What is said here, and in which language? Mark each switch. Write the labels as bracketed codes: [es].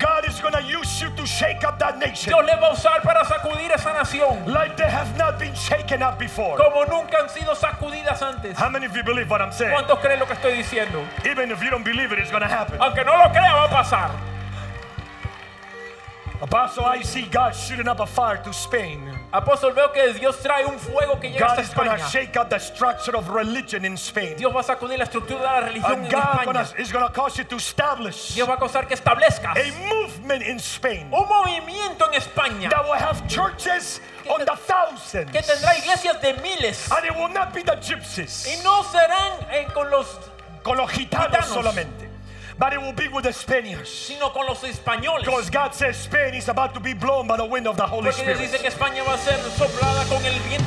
[en] God is going to use you to shake up that nation. [es] Dios le va a usar para sacudir esa nación. [en] Like they have not been shaken up before. [es] Como nunca han sido sacudidas antes. [en] How many of you believe what I'm saying? [es] ¿Cuántos creen lo que estoy diciendo? [en] Even if you don't believe it, it's going to happen. [es] Aunque no lo crea, va a pasar. [en] Apostle, I see God shooting up a fire to Spain. [es] Apóstol, veo que Dios trae un fuego que llega hasta España. [en] God is going to shake up the structure of religion in Spain. [es] Dios va a sacudir la estructura de la religión en [en] God [es] España. [en] God is going to cause you to establish. [es] Dios va a causar que establezcas [en] a movement in Spain. [es] Un movimiento en España. [en] That will have churches on the thousands. [es] Que tendrá iglesias de miles. [en] And it will not be the gypsies. [es] Y no serán con los gitanos solamente. [en] But it will be with the Spaniards. [es] Sino con los españoles. [en] Because God says Spain is about to be blown by the wind of the Holy [es] Porque [en] Spirit. [es] Dice que España va a ser soplada con el viento